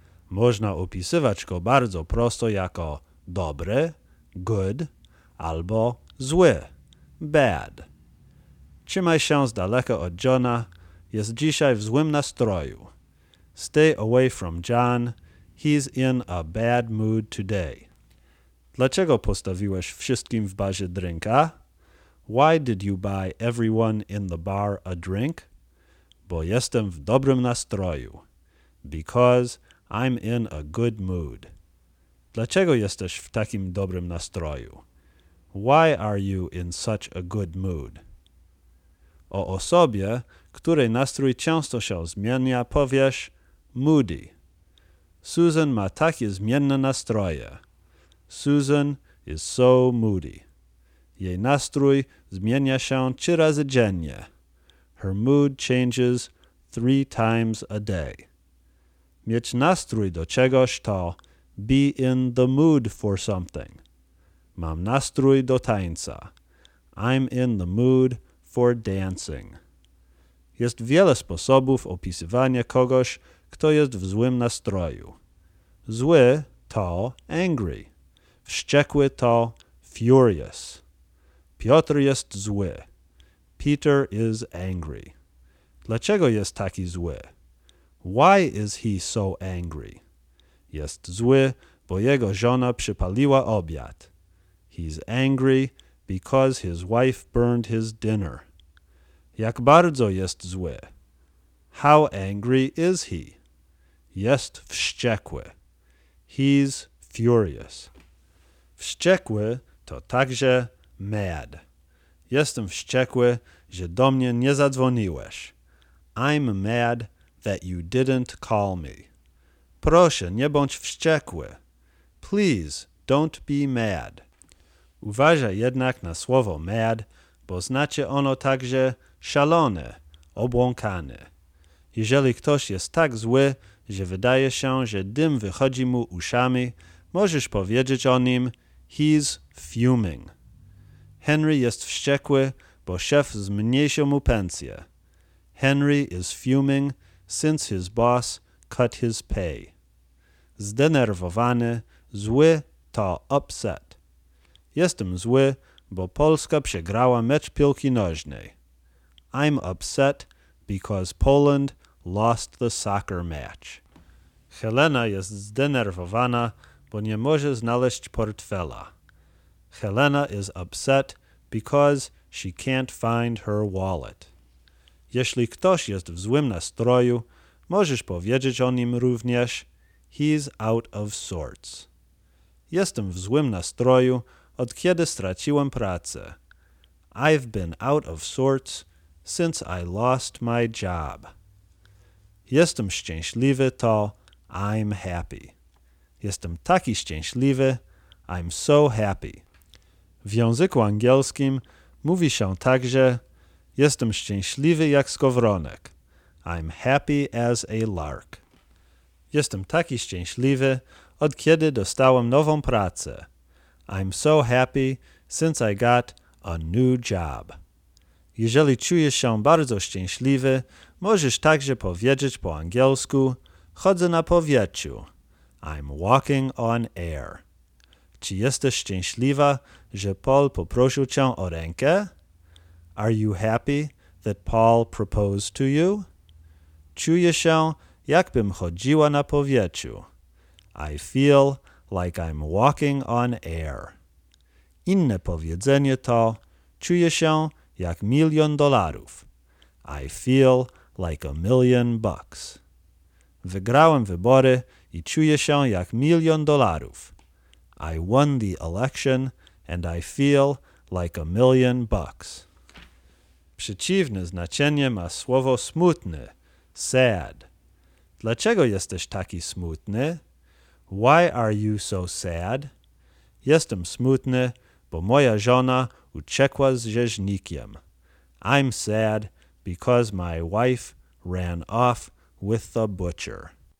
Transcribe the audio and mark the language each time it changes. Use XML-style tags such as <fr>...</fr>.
<pl>Można opisywać go bardzo prosto jako dobry, good, albo zły, bad. Trzymaj się z daleka od Johna, jest dzisiaj w złym nastroju.</pl> <en>Stay away from John, he's in a bad mood today.</en> <pl>Dlaczego postawiłeś wszystkim w barze drinka?</pl> <en>Why did you buy everyone in the bar a drink?</en> <pl>Bo jestem w dobrym nastroju.</pl> <en>Because I'm in a good mood.</en> <pl>Dlaczego jesteś w takim dobrym nastroju?</pl> <en>Why are you in such a good mood?</en> <pl>O osobie, której nastrój często się zmienia, powiesz moody. Susan ma takie zmienne nastroje.</pl> <en>Susan is so moody.</en> <pl>Jej nastrój zmienia się 3 razy dziennie.</pl> <en>Her mood changes 3 times a day.</en> <pl>Mieć nastrój do czegoś</pl> <en>to be in the mood for something.</en> <pl>Mam nastrój do tańca.</pl> <en>I'm in the mood for dancing.</en> <pl>Jest wiele sposobów opisywania kogoś, kto jest w złym nastroju. Zły to angry. Wściekły to furious. Piotr jest zły.</pl> <en>Peter is angry.</en> <pl>Dlaczego jest taki zły?</pl> <en>Why is he so angry?</en> <pl>Jest zły, bo jego żona przypaliła obiad.</pl> <en>He's angry because his wife burned his dinner.</en> <pl>Jak bardzo jest zły?</pl> <en>How angry is he?</en> <pl>Jest wściekły.</pl> <en>He's furious.</en> <pl>Wściekły to także mad. Jestem wściekły, że do mnie nie zadzwoniłeś.</pl> <en>I'm mad that you didn't call me.</en> <pl>Proszę, nie bądź wściekły.</pl> <en>Please, don't be mad.</en> <pl>Uważaj jednak na słowo mad, bo znaczy ono także szalone, obłąkane. Jeżeli ktoś jest tak zły, że wydaje się, że dym wychodzi mu uszami, możesz powiedzieć o nim,</pl> <en>he's fuming.</en> <pl>Henry jest wściekły, bo szef zmniejszył mu pensję.</pl> <en>Henry is fuming since his boss cut his pay.</en> <pl>Zdenerwowany, zły to upset. Jestem zły, bo Polska przegrała mecz piłki nożnej.</pl> <en>I'm upset because Poland lost the soccer match.</en> <pl>Helena jest zdenerwowana, bo nie może znaleźć portfela.</pl> <en>Helena is upset because she can't find her wallet.</en> <pl>Jeśli ktoś jest w złym nastroju, możesz powiedzieć o nim również,</pl> <en>he's out of sorts.</en> <pl>Jestem w złym nastroju, od kiedy straciłem pracę.</pl> <en>I've been out of sorts since I lost my job.</en> <pl>Jestem szczęśliwy to</pl> <en>I'm happy.</en> <pl>Jestem taki szczęśliwy,</pl> <en>I'm so happy.</en> <pl>W języku angielskim mówi się także jestem szczęśliwy jak skowronek.</pl> <en>I'm happy as a lark.</en> <pl>Jestem taki szczęśliwy, od kiedy dostałem nową pracę.</pl> <en>I'm so happy since I got a new job.</en> <pl>Jeżeli czujesz się bardzo szczęśliwy, możesz także powiedzieć po angielsku chodzę na powietrzu.</pl> <en>I'm walking on air.</en> <pl>Czy jesteś szczęśliwa, że Paul poprosił cię o rękę?</pl> <en>Are you happy that Paul proposed to you?</en> <pl>Czuję się, jakbym chodziła na powietrzu.</pl> <en>I feel like I'm walking on air.</en> <pl>Inne powiedzenie to, czuję się jak milion dolarów.</pl> <en>I feel like a million bucks.</en> <pl>Wygrałem wybory i czuję się jak milion dolarów.</pl> <en>I won the election and I feel like a million bucks.</en> <pl>Przeciwne znaczenie ma słowo smutny, sad. Dlaczego jesteś taki smutny?</pl> <en>Why are you so sad?</en> <pl>Jestem smutny, bo moja żona uciekła z rzeźnikiem.</pl> <en>I'm sad because my wife ran off with the butcher.</en>